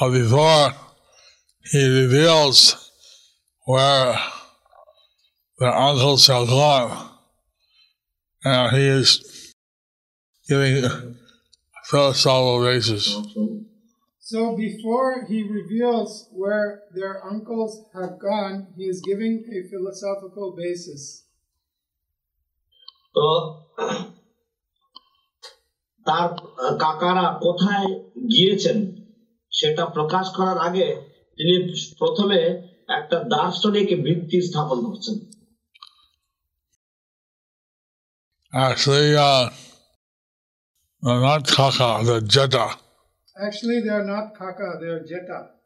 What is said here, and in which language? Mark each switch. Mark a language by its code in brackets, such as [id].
[en] Before he reveals where the uncles have gone, and he is giving philosophical reasons. So before he reveals where their uncles have gone, he is giving a philosophical basis. [bn] So, তার কাকারা কোথায় গিয়েছেন সেটা প্রকাশ করার আগে তিনি প্রথমে একটা দার্শনিক ভিত্তি স্থাপন করছেন। [en] Actually, they're not kaka, they're jetta. Actually, they're not kaka, they're jetta.